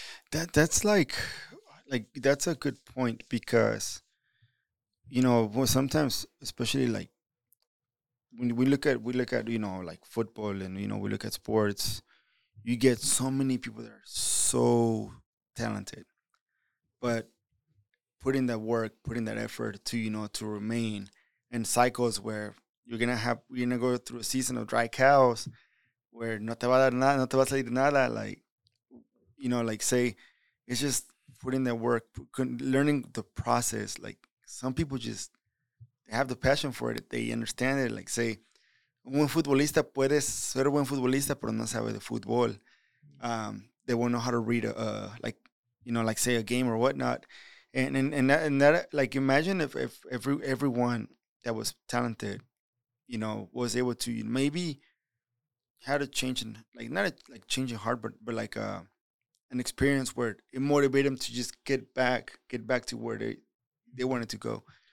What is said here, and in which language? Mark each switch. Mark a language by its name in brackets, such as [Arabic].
[English] That's like that's a good point because, you know, sometimes, especially like when we look at you know, like football and, you know, we look at sports, you get so many people that are so talented, but putting that work, putting that effort to, you know, to remain in cycles where you're gonna go through a season of dry cows. Where [Spanish] no te va a dar nada, no te va a salir nada, [English] like, you know, like say, it's just putting that work, learning the process. Like some people just have the passion for it, they understand it. Like say, [Spanish] un futbolista puede ser buen futbolista, pero no sabe de fútbol. [English] They won't know how to read a game or whatnot. And that like imagine if everyone that was talented, you know, was able to maybe. Had a change in, like, not a, like changing heart, but like an experience where it motivated them to just get back to where they wanted to go.